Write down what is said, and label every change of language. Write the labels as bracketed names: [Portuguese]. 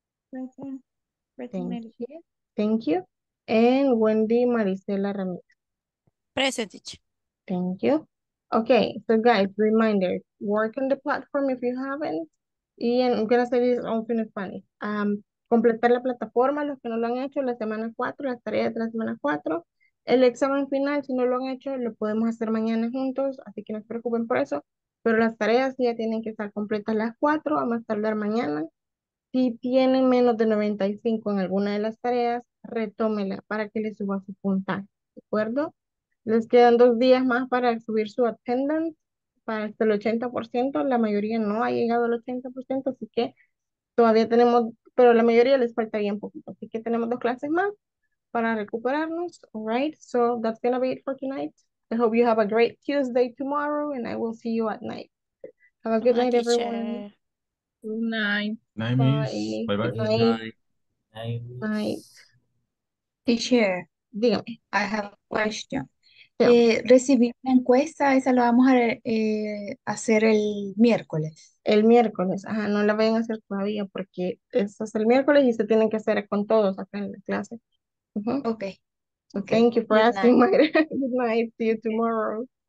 [English] Present. Present, thank you. And Wendy Maricela Ramirez. Present, teacher. Thank you. Okay, so guys, reminder, work on the platform if you haven't. Y I'm going to say this also in Spanish. [Spanish] Completar la plataforma, los que no lo han hecho, la semana 4, las tareas de la semana 4. El examen final, si no lo han hecho, lo podemos hacer mañana juntos, así que no se preocupen por eso. Pero las tareas ya tienen que estar completas las 4, vamos a tardar mañana. Si tienen menos de 95 en alguna de las tareas, retómela para que le suba su puntaje, ¿de acuerdo? Les quedan 2 días más para subir su attendance, para hasta el 80%, la mayoría no ha llegado al 80%, así que todavía tenemos, pero la mayoría les falta bien poquito, así que tenemos 2 clases más para recuperarnos, all right? [English] So that's gonna be it for tonight. I hope you have a great Tuesday tomorrow, and I will see you at night. Have a good night, teacher. Everyone. Good night. Night. Bye-bye. Good night. Night. Teacher, dígame. I have a question. Yeah. [Spanish] Recibir la encuesta, esa la vamos a hacer el miércoles. El miércoles, ajá, no la vayan a hacer todavía porque eso es el miércoles y se tienen que hacer con todos acá en la clase. [English] Uh-huh. Okay. Okay. Thank you for asking, Mayra. Good night. See you tomorrow.